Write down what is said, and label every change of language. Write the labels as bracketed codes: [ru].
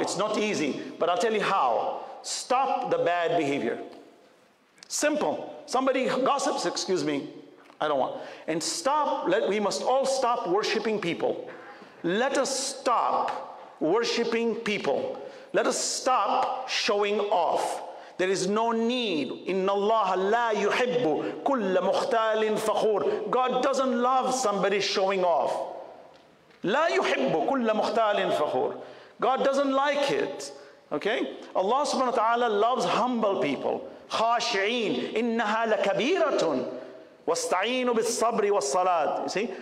[en] It's not easy, but I'll tell you how. Stop the bad behavior. Simple. Somebody gossips, excuse me. I don't want. And stop, we must all stop worshiping people. Let us stop worshiping people. Let us stop showing off. There is no need. [ar] إِنَّ اللَّهَ لَا يُحِبُّ كُلَّ مُخْتَالٍ فَخُورٍ [en] God doesn't love somebody showing off. [ar] لَا يُحِبُّ كُلَّ مُخْتَالٍ فَخُورٍ [en] God doesn't like it. Okay? Allah subhanahu wa ta'ala loves humble people. [ar] خَاشِعِينَ إِنَّهَا لَكَبِيرَةٌ وَاسْتَعِينُ بِالصَّبْرِ وَالصَّلَاةِ [en] You see?